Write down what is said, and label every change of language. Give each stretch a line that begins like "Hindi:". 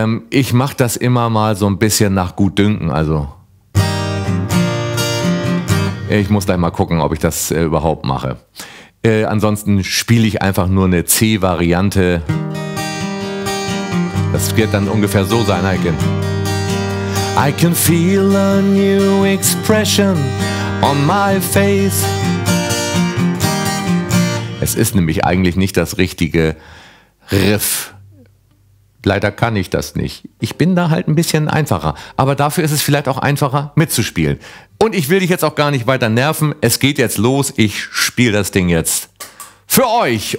German: Ich mache das immer mal so ein bisschen nach gut dünken, also ich muss gleich mal gucken, ob ich das überhaupt mache. Ansonsten spiele ich einfach nur eine C-Variante. Das wird dann ungefähr so sein, Eiken.
English: I can feel a new expression on my face.
German: Es ist nämlich eigentlich nicht das richtige Riff. Leider kann ich das nicht. Ich bin da halt ein bisschen einfacher. Aber dafür ist es vielleicht auch einfacher mitzuspielen. Und ich will dich jetzt auch gar nicht weiter nerven. Es geht jetzt los. Ich spiele das Ding jetzt für euch.